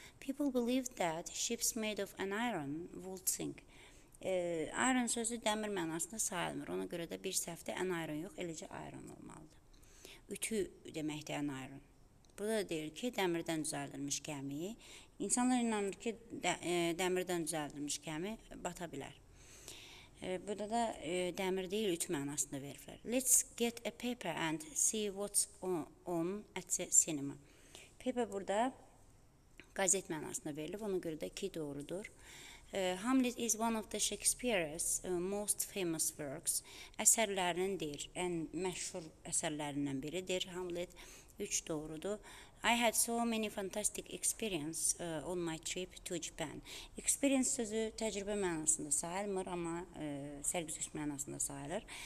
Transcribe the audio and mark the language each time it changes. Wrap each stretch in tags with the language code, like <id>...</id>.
<en>People believe that ships made of an iron would sink.</en> <az>Iron sözü dəmir mənasında sayılmır. Ona görə də bir səhvdə an iron yox, eləcə iron olmalıdır. Ütü deməkdir an iron. Burada deyir ki, dəmirdən düzəldilmiş gəmi. İnsanlar inanır ki, dəmirdən düzəldilmiş gəmi bata bilər. Burada da dəmir deyil, ütü mənasında verirlər.</az> <en>Let's get a paper and see what's on at the cinema.</en> <az>Pepe burada qazet mənasında verilib, ona görə də ki, doğrudur.</az> <en>Hamlet is one of the Shakespeare's most famous works.</en> <az>Əsərlərindir, ən məşhur əsərlərindən biridir. Hamlet 3 doğrudur.</az> <en>I had so many fantastic experiences on my trip to Japan.</en> <az>Experience sözü təcrübə mənasında sayılmır, amma sərgüzəş mənasında sayılır.</az>